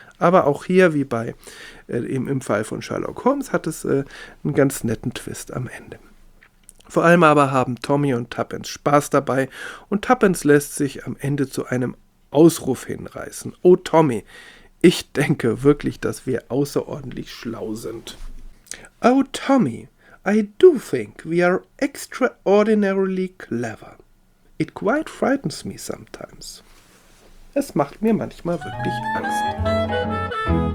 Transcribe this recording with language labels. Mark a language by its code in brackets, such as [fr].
[de] Aber auch hier, wie bei im Fall von Sherlock Holmes, hat es einen ganz netten Twist am Ende. Vor allem aber haben Tommy und Tuppence Spaß dabei und Tuppence lässt sich am Ende zu einem Ausruf hinreißen. Oh Tommy! Ich denke wirklich, dass wir außerordentlich schlau sind. [en] Oh, Tommy, I do think we are extraordinarily clever. It quite frightens me sometimes. [de] Es macht mir manchmal wirklich Angst.